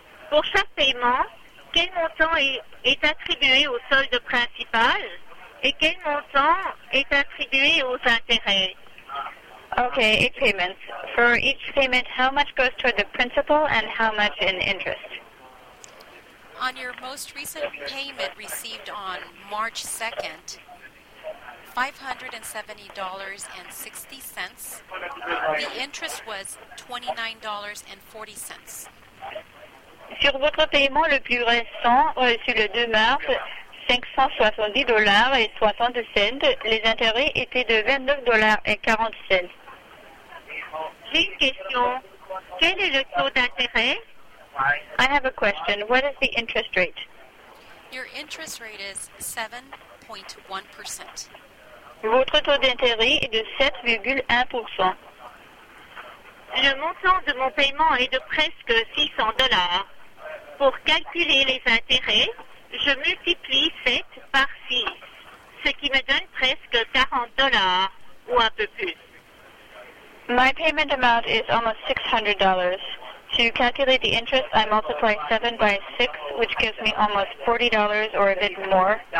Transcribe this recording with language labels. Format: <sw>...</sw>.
<fr>Pour chaque paiement, quel montant est attribué au solde principal et quel montant est attribué aux intérêts?</fr> <en>Okay, 8 payments. For each payment, how much goes toward the principal and how much in interest? On your most recent payment received on March 2nd, $570.60, the interest was $29.40.</en> <fr>Sur votre paiement le plus récent, reçu le 2 mars, $570.60, les intérêts étaient de $29.40. J'ai une question. Quel est le taux d'intérêt?</fr> <en>I have a question. What is the interest rate? Your interest rate is 7.1%.</en> <fr>Votre taux d'intérêt est de 7.1%. Le montant de mon paiement est de presque $600. Pour calculer les intérêts, je multiplie 7 par 6, ce qui me donne presque $40 ou un peu plus.</fr> <en>My payment amount is almost $600. To calculate the interest, I multiply 7 by 6, which gives me almost $40 or a bit more.</en>